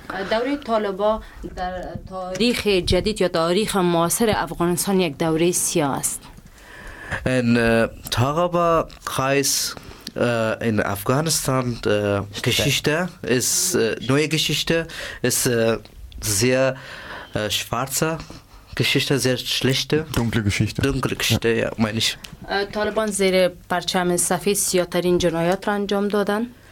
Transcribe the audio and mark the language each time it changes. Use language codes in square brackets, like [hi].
[fa] دوره طالبا در تاریخ جدید یا تاریخ معاصر افغانستان یک دوره سیاه است. [de] In Taliban Kreis in Afghanistan Geschichte ist neue Geschichte ist sehr schwarze Geschichte, sehr schlechte dunkle Geschichte ja, meine ich. [fa] Taliban زیر پرچم سفید سیاه‌ترین جنایات را انجام دادند.